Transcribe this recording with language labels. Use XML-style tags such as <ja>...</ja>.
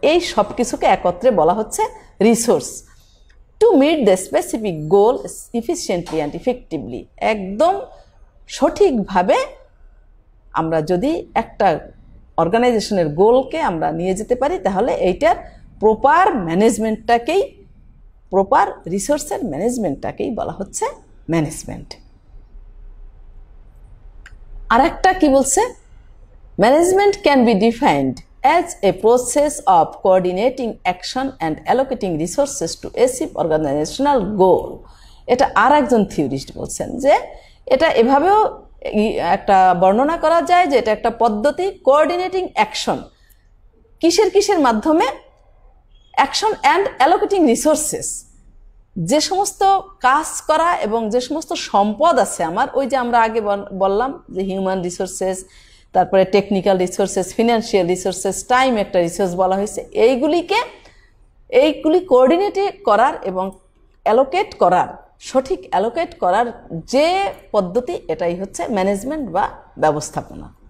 <bn>এই সব কিছুকে একত্রে বলা হচ্ছে resource.</bn> <en>to meet the specific goal efficiently and effectively,</en> <bn>একদম সঠিকভাবে আমরা যদি একটা অর্গানাইজেশনের গোলকে আমরা নিয়ে যেতে পারি, তাহলে এইটার প্রপার ম্যানেজমেন্টটাকেই, প্রপার রিসোর্সের ম্যানেজমেন্টটাকেই বলা হচ্ছে ম্যানেজমেন্ট।</bn> <en>আরেকটা কি বলছে, management can be defined as a process of coordinating action and allocating resources to achieve organizational goal.</en> <bn>এটা আর একজন থিওরিস্ট বলছেন যে এটা এভাবেও একটা বর্ণনা করা যায় যে এটা একটা পদ্ধতি কোঅর্ডিনেটিং অ্যাকশন কিসের কিসের মাধ্যমে</bn> <en>action and allocating resources</en> <bn>যে সমস্ত কাজ করা এবং যে সমস্ত সম্পদ আছে আমার ওই যে আমরা আগে বললাম যে হিউম্যান রিসোর্সেস তারপরে technical resources financial resources time একটা রিসোর্স বলা হয়েছে এইগুলিকে এইগুলি কোঅর্ডিনেট করার এবং অ্যালোকেট করার সঠিক অ্যালোকেট করার যে পদ্ধতি এটাই হচ্ছে ম্যানেজমেন্ট বা ব্যবস্থাপনা</bn>